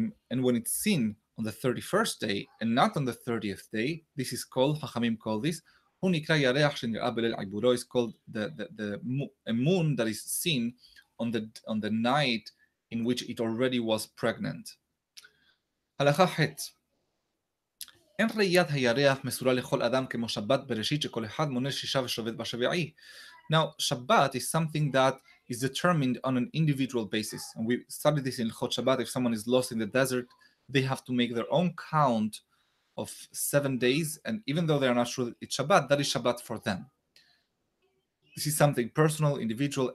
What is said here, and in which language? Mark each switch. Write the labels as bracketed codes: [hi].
[en] And when it's seen on the 31st day and not on the 30th day, this is called, Hachamim call this, is called a moon that is seen on the night in which it already was pregnant. [he] אין ראיית הירח מסורה לכל אדם כמו שבת בראשית שכל אחד מונה שישה ושובת בשביעי. [en] Now, Shabbat is something that is determined on an individual basis. And we studied this in Hilchot Shabbat. If someone is lost in the desert, they have to make their own count of 7 days. And even though they are not sure it's Shabbat, that is Shabbat for them. This is something personal, individual.